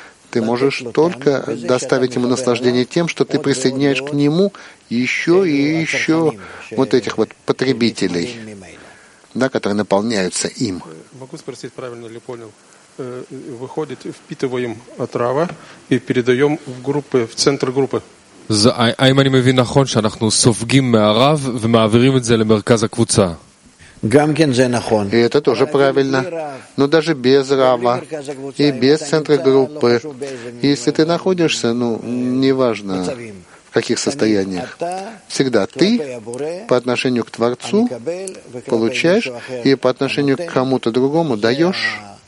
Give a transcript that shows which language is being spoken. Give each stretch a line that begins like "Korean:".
Russian: Ты можешь только доставить ему наслаждение тем, что ты присоединяешь к нему еще и еще вот этих вот потребителей, да, которые наполняются им. Могу спросить, правильно ли понял? Выходит, впитываем отрава и передаем в группы, в центр группы.
Hebrew: האם אני מבין נכון שאנחנו סופגים מהרב ומעבירים את זה למרכז הקבוצה? גם כן זה נכון.
Russian: И это тоже правильно. Но даже без рава и без центра группы, если ты находишься, ну, неважно, в каких состояниях, всегда ты по отношению к Творцу получаешь и по отношению к кому-то другому даешь.